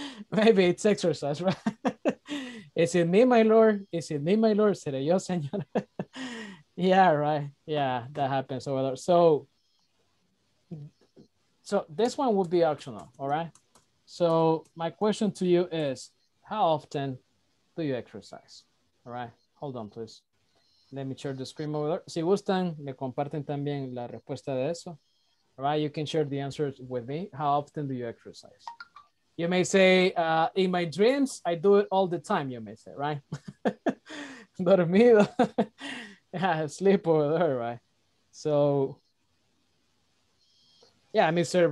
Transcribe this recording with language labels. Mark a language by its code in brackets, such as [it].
[en] Maybe it's exercise, right? Is it me, my Lord? Is it me, my Lord? [es] ¿Seré yo, señor? [en] Yeah, right. Yeah, that happens over there. So this one would be optional, all right? So my question to you is, how often do you exercise? All right, hold on, please. Let me share the screen over there. [es] Si gustan, me comparten también la respuesta de eso. [en] All right, you can share the answers with me. How often do you exercise? You may say, in my dreams, I do it all the time, you may say, right? [es] Dormido. [en] Yeah, sleep over there, right? So, yeah, Mr.